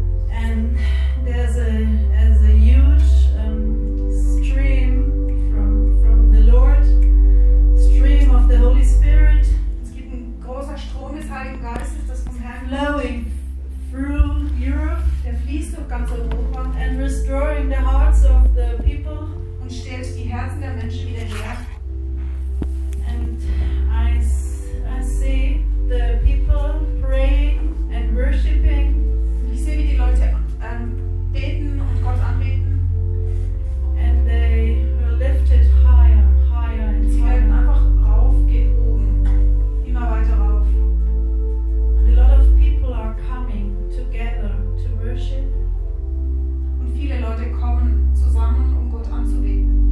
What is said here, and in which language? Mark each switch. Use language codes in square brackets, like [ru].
[en] And there's a huge stream from the Lord, stream of the Holy Spirit. [de] Es gibt einen großen Strom des Heiligen Geistes, das vom Herrn [en] flowing through Europe, [de] der fließt durch ganz Europa, [en] and restoring the hearts of the people, [de] und stellt die Herzen der Menschen wieder her. [en] And I see the people praying and worshiping. [de] Ich sehe, wie die Leute beten und Gott anbeten. [en] And they were lifted higher, higher and higher. [de] Sie werden einfach raufgehoben, immer weiter rauf. [en] And a lot of people are coming together to worship. [de] Und viele Leute kommen zusammen, um Gott anzubeten.